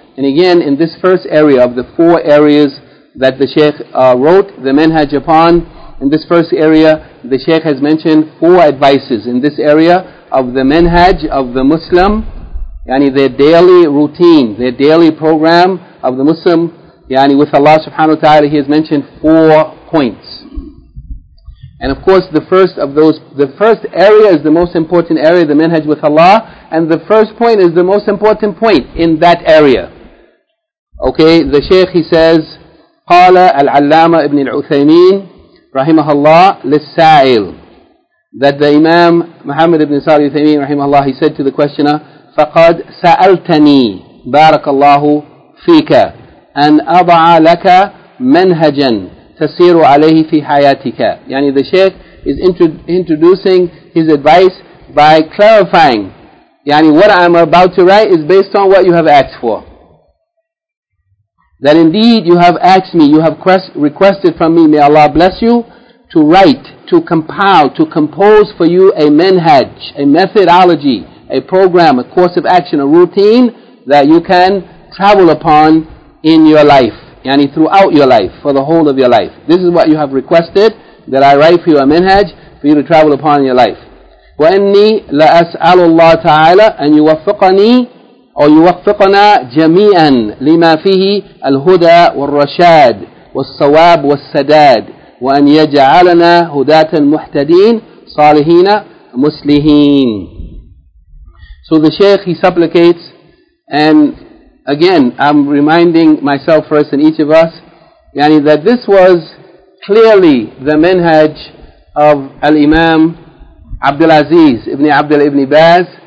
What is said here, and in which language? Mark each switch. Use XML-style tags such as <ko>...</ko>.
<en>And again, in this first area of the four areas that the Shaykh wrote the manhaj upon, in this first area, the Shaykh has mentioned four advices in this area of the manhaj of the Muslim, yani their daily routine, their daily program of the Muslim, yani with Allah subhanahu wa ta'ala, he has mentioned four points. And of course, the first of those, the first area is the most important area, the manhaj with Allah, and the first point is the most important point in that area. Okay, the Shaykh, he says,</en> <ar>قال العلامة ابن العثيمين رحمه الله للسائل,</ar> <en>that the Imam Muhammad ibn Salih Uthaymeen رحمه الله, he said to the questioner,</en> <ar>فقد سألتني بارك الله فيك أن أضع لك منهجا تسير عليه في حياتك.</ar> <en>يعني the Shaykh is introducing his advice by clarifying, يعني what I'm about to write is based on what you have asked for. That indeed you have asked me, you have requested from me, may Allah bless you, to write, to compile, to compose for you a manhaj, a methodology, a program, a course of action, a routine that you can travel upon in your life, yani throughout your life, for the whole of your life. This is what you have requested, that I write for you a manhaj for you to travel upon in your life.</en> <ar>وَأَنِّي لَأَسْأَلُ اللَّهَ تَعَالَى أَنْ يُوَفِّقَنِي أو يوفقنا جميعا لما فيه الهدى والرشاد والصواب والسداد وأن يجعلنا هداة محتدين صالحين مسلمين.</ar> <en>So the Shaykh, he supplicates, and again I'm reminding myself first and each of us, yani that this was clearly the manhaj of Al-Imam Abdul Aziz Ibn Abdul Ibn Baz.</en>